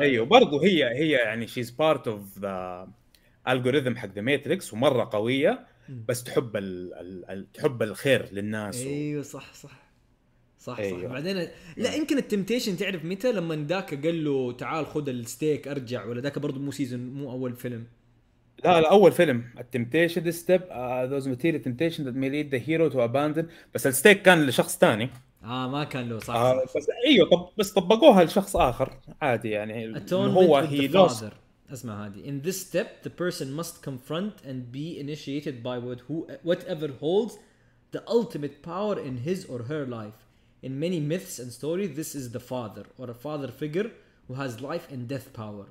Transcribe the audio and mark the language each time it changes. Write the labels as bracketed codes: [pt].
[ar] ايوه برضو هي يعني [en] she's part of the algorithm [ar] حق ذا ماتريكس ومره قويه. بس تحب تحب الخير للناس. ايوه صح صح صح. أيوه. صح. بعدين لا يمكن التمتيشن تعرف متى؟ لما داك قال له تعال خذ الستيك ارجع، ولا داك برضو مو سيزون مو اول فيلم؟ لا الأول فيلم التمتيشن [en] this step those material temptation that may lead the hero to abandon. [ar] بس الستيك كان لشخص تاني. ما كان له صح. بس أيوة بس طبقوها لشخص آخر عادي يعني. [en] Atonement [ar] هو [en] with the father. [ar] اسمع هذه. [en] In this step the person must confront and be initiated by whatever holds the ultimate power in his or her life. In many myths and stories this is the father or a father figure who has life and death power.